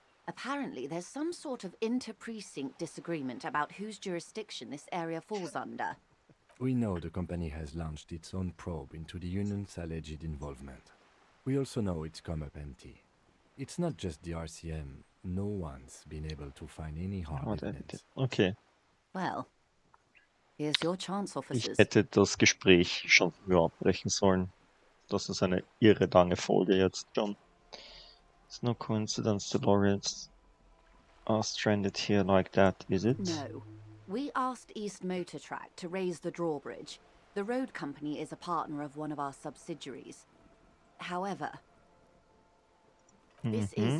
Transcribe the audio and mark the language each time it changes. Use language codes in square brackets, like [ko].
[en] Apparently, there's some sort of inter-precinct disagreement about whose jurisdiction this area falls under. We know the company has launched its own probe into the Union's alleged involvement. We also know it's come up empty. It's not just the RCM. No one's been able to find any hard evidence. Okay. Well, here's your chance, officers. [de] Ich hätte das Gespräch schon früher abbrechen sollen. Das ist eine irre lange Folge jetzt schon. [en] It's no coincidence the Lorians are stranded here like that, is it? No. We asked East Motor Track to raise the drawbridge. The road company is a partner of one of our subsidiaries. However, this mm-hmm.